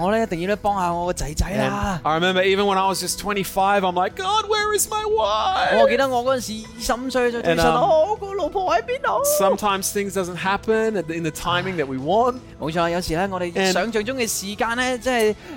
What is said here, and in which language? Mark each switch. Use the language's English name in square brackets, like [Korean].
[Cantonese] 我咧一定要咧帮下我个仔仔啦。 [English] I remember even when I was just 25, I'm like, God, where is my wife？ [Cantonese] 我记得我嗰阵时25岁就问神，我个老婆喺边度 [English] ？Sometimes things doesn't happen in the timing that we want。 [Cantonese] 冇错，有时咧我哋想象中嘅时间咧，即系。